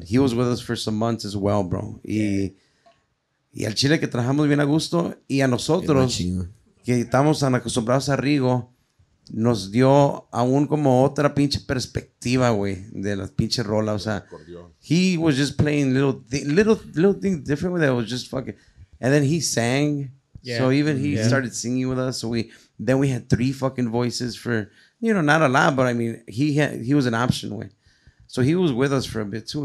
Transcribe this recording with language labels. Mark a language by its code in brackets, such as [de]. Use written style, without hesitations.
[en] He was with us for some months as well, bro. [es] Y al chile que trabajamos bien a gusto. Y a nosotros, que estamos tan acostumbrados a Rigo, nos dio aún como otra pinche perspectiva, güey, de las pinches rolas. O sea, [en] he was just playing little things different with it. It was just fucking, and then he sang. Yeah. So even he started singing with us. So then we had three fucking voices for, you know, not a lot, but I mean, he was an option, güey. So he was with us for a bit too.